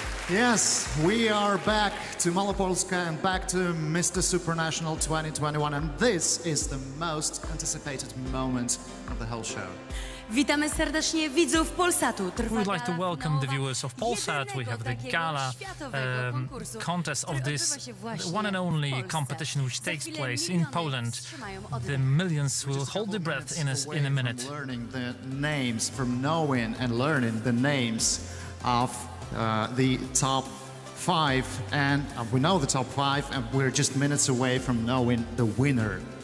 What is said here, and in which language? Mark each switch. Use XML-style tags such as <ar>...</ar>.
<en>Yes, we are back to Malopolska and back to Mr. Supranational 2021, and this is the most anticipated moment of the whole show.</en> <pl>Witamy serdecznie widzów Polsatu.</pl> <en>We would like to welcome the viewers of Polsat. We have the gala contest of this one and only competition which takes place in Poland. The millions will hold their breath in a minute. Learning the names from knowing and learning the names of the top 5, and we know the top 5, and we're just minutes away from knowing the winner.</en>